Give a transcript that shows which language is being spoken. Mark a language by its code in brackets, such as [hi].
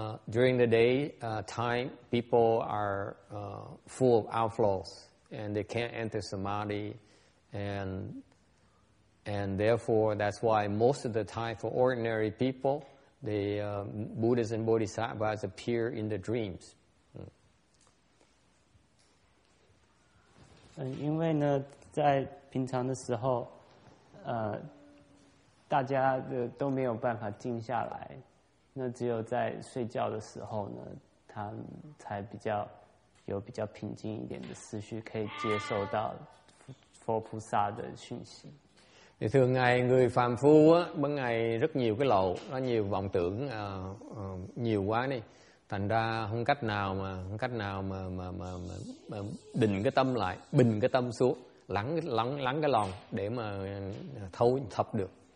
[en] During the day time, people are full of outflows and they can't enter samadhi, and therefore that's why most of the time for ordinary people, the Buddhas and Bodhisattvas appear in the dreams. [zh] 因为呢，在平常的时候，大家的都没有办法静下来，那只有在睡觉的时候呢，他才比较平静一点的思绪，可以接受到佛菩萨的讯息。 [vi] Thì thường ngày người phàm phu ban ngày rất nhiều cái lậu, nó nhiều vọng tưởng nhiều quá đi, thành ra không cách nào mà định cái tâm lại, bình cái tâm xuống, lắng cái lòng để mà thấu thập được.